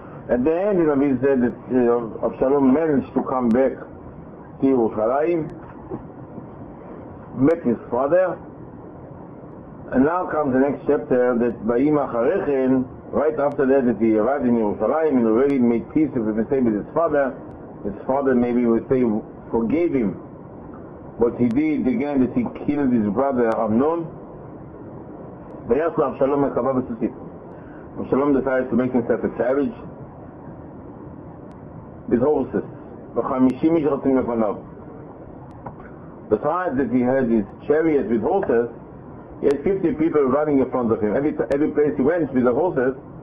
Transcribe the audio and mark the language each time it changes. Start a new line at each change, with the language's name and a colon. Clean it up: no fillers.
English: At the end, he said that Avshalom managed to come back to Yerushalayim, met his father, and now comes the next chapter that Bayim Acharechen, right after that he arrived in Yerushalayim and already made peace with his father. His father, maybe we say, forgave him. What he did again, that he killed his brother Amnon.
Hebrew: ויעשו אבשלום מרכבה בסוסית.
English: אבשלום decided to make himself a savage with horses. וחמישים איש רצים לפניו. Besides that he had his chariot with horses, he had 50 people running in front of him. Every place he went with the horses,